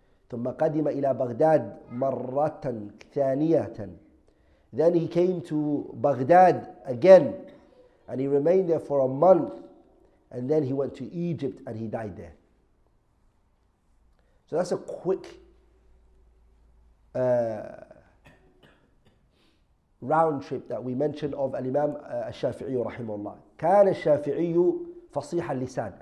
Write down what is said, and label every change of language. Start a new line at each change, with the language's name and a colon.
Arabic: ثم قدم إلى بغداد مرة ثانية.
English: Then he came to Baghdad again, and he remained there for a month, and then he went to Egypt and he died there. So that's a quick round trip that we mentioned of Al-Imam Al-Shafi'i rahimahullah.
Arabic: كان الشافعي فصيح اللسان.